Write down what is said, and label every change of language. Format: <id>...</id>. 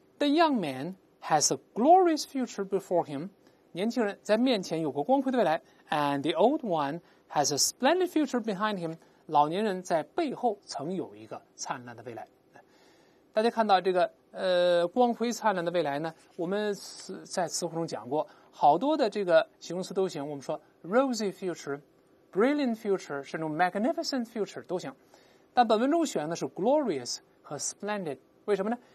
<en>The young man has a glorious future before him.</en> <zh>年轻人在面前有个光辉的未来。</zh> <en>And the old one has a splendid future behind him.</en> <zh>老年人在背后曾有一个灿烂的未来。大家看到这个光辉灿烂的未来呢，我们在词汇中讲过好多的这个形容词都行，我们说</zh> <en>rosy future, brilliant future,</en> <zh>甚至</zh> <en>magnificent future</en> <zh>都行，但本文中选的是 glorious 和 splendid。为什么呢？</zh>